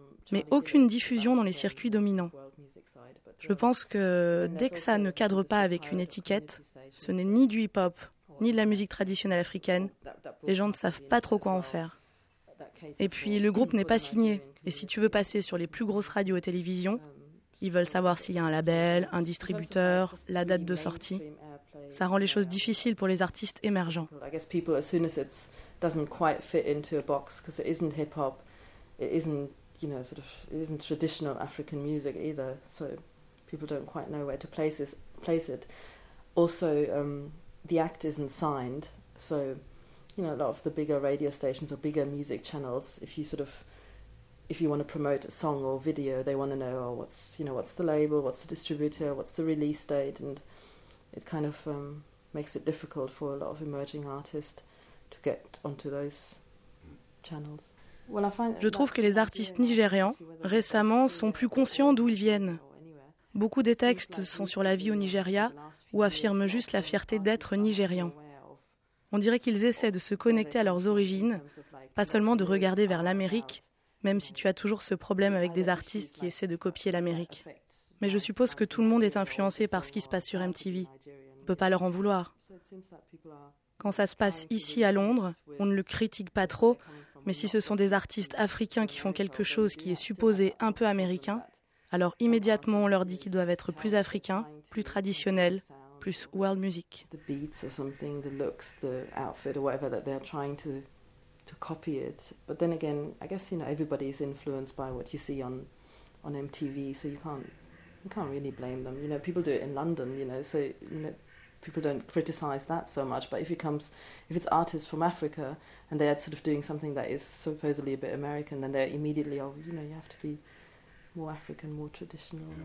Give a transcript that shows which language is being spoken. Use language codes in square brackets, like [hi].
[fr] Mais aucune diffusion dans les circuits dominants. Je pense que dès que ça ne cadre pas avec une étiquette, ce n'est ni du hip-hop, ni de la musique traditionnelle africaine, les gens ne savent pas trop quoi en faire. Et puis le groupe n'est pas signé, et si tu veux passer sur les plus grosses radios et télévisions, ils veulent savoir s'il y a un label, un distributeur, la date de sortie. Ça rend les choses difficiles pour les artistes émergents. [en] I guess people, as soon as it doesn't quite fit into a box, because it isn't hip-hop, it isn't you know, sort of isn't traditional African music either, so people don't quite know where to place it. Also, the act isn't signed, so, you know, a lot of the bigger radio stations or bigger music channels, if you want to promote a song or video, they want to know, oh, what's the label, what's the distributor, what's the release date, and it kind of makes it difficult for a lot of emerging artists to get onto those channels. [fr] Je trouve que les artistes nigérians, récemment, sont plus conscients d'où ils viennent. Beaucoup des textes sont sur la vie au Nigeria ou affirment juste la fierté d'être nigérian. On dirait qu'ils essaient de se connecter à leurs origines, pas seulement de regarder vers l'Amérique, même si tu as toujours ce problème avec des artistes qui essaient de copier l'Amérique. Mais je suppose que tout le monde est influencé par ce qui se passe sur MTV. On ne peut pas leur en vouloir. Quand ça se passe ici à Londres, on ne le critique pas trop, mais si ce sont des artistes africains qui font quelque chose qui est supposé un peu américain, alors immédiatement on leur dit qu'ils doivent être plus africains, plus traditionnels, plus world music. [en] The beats or something, the looks, the outfit or whatever that they're trying to copy it. But then again, I guess you know everybody is influenced by what you see on MTV, so you can't really blame them. You know, people do it in London, you know, so you know, people don't criticize that so much, but if it's artists from Africa and they are sort of doing something that is supposedly a bit American, then they're immediately, oh, you know, you have to be more African, more traditional, yeah.